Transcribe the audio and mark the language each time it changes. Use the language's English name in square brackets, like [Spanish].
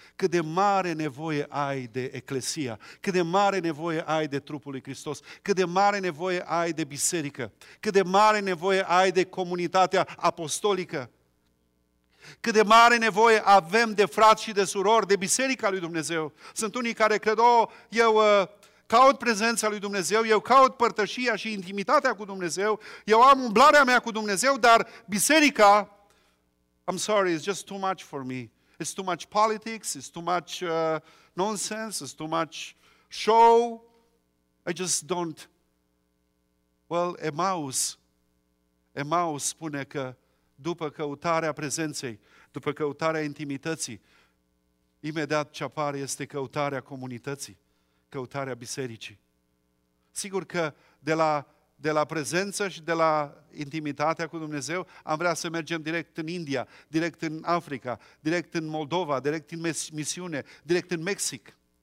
[Romanian] cât de mare nevoie ai de Eclesia, cât de mare nevoie ai de trupul lui Hristos, cât de mare nevoie ai de biserică, cât de mare nevoie ai de comunitatea apostolică, cât de mare nevoie avem de frați și de surori, de biserica lui Dumnezeu. Sunt unii care cred, eu caut prezența lui Dumnezeu, eu caut părtășia și intimitatea cu Dumnezeu, eu am umblarea mea cu Dumnezeu, dar biserica, [English] I'm sorry, it's just too much for me. It's too much politics, it's too much nonsense, it's too much show. I just don't. [Romanian] Well, Emaus spune că după căutarea prezenței, după căutarea intimității, imediat ce apare este căutarea comunității. Căutarea bisericii. Sigur că de la prezență și de la intimitatea cu Dumnezeu, am vrea să mergem direct în India, direct în Africa, direct în Moldova, direct în misiune, direct în Mexic.